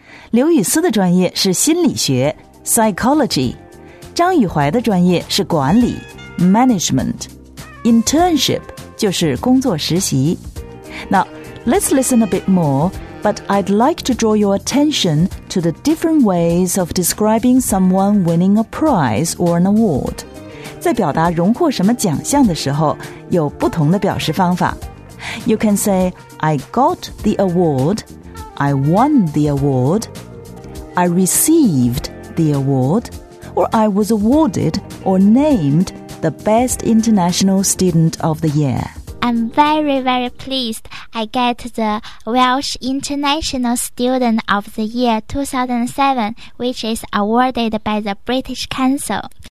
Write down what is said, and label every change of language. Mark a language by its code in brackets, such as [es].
[zh] 刘宇思的专业是心理学 psychology， 张宇怀的专业是管理 management， internship 就是工作实习。 [en] Now let's listen a bit more, but I'd like to draw your attention to the different ways of describing someone winning a prize or an award. [zh] 在表达荣获什么奖项的时候，有不同的表示方法。 [en] You can say I got the awardI won the award, I received the award, or I was awarded or named the Best International Student of the Year. I'm very, very pleased I get the Welsh International Student of the Year 2007, which is awarded by the British Council.